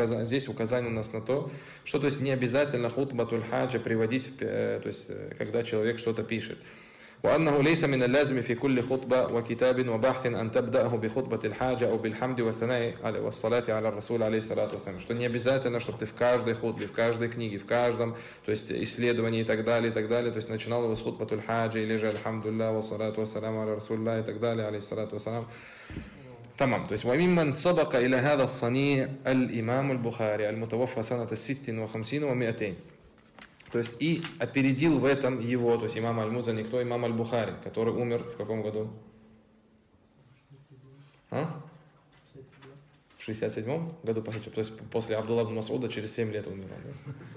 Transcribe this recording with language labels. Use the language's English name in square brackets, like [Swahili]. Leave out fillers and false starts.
[Russian] Здесь указание у нас на то, что то есть не обязательно хутбатуль хаджа приводить, то есть когда человек что-то пишет. [Arabic] وأنه ليس من اللازم في كل خطبة وكتاب وبحث أن تبدأه بخطبة الحاجة أو بالحمد والثناء والصلاة على الرسول عليه الصلاة والسلام. [Russian] Что не обязательно, чтобы ты в каждой хутбе, в каждой книге, в каждом, то есть исследовании и так далее, то есть начинал его с خطبة الحاجة или же [Arabic] الحمد لله والصلاة والسلام على رسول الله [Russian] и так далее, [Arabic] عليه الصلاة والسلام. تمام. [Russian] То есть [Arabic] وممن سبق إلى هذا الصنيع الإمام البخاري المتوفى سنة 56 و200. [Russian] То есть и опередил в этом его, то есть имам Аль-Музани, кто имам Аль-Бухари, который умер в каком году? А? В 67-м году, по сути. То есть после Абдулла ибн Масуда через 7 лет умер. Да?